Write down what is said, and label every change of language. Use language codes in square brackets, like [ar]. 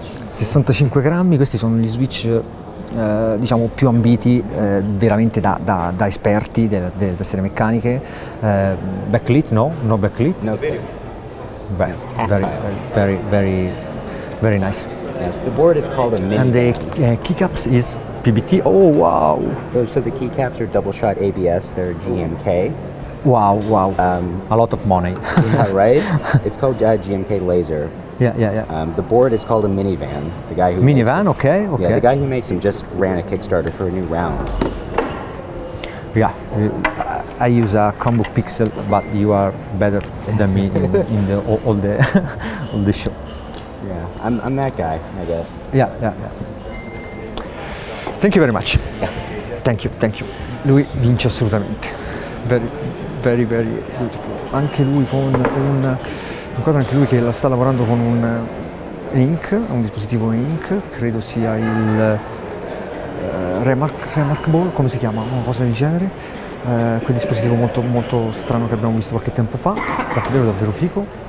[it] 65 grammi, questi sono gli switch diciamo più ambiti veramente da esperti delle tastiere meccaniche. [en] Backlit, no? No backlit? No. Very, very, very, very, very nice. The board is called a mini. And the keycaps is PBT. Oh, wow. So the keycaps are double shot ABS, they're GMK. Wow, wow. A lot of money. Yeah, right? It's called GMK Laser. Yeah, yeah, yeah. The board is called a minivan. The guy who minivan, makes okay, okay. Yeah, the guy who makes them just ran a Kickstarter for a new round. Yeah, I use a Chromebook Pixel, but you are better than me in the all the all the show. Yeah, I'm that guy, I guess. Yeah, yeah, yeah. Thank you very much. Yeah. Thank you, thank you. [it] Lui vince assolutamente. [en] Very, very, very beautiful. [it] Anche lui con un quadro, anche lui che la sta lavorando con un Ink, un dispositivo Ink, credo sia il Remarkable, come si chiama, una cosa del genere. Quel dispositivo molto, molto strano che abbiamo visto qualche tempo fa, davvero, davvero fico.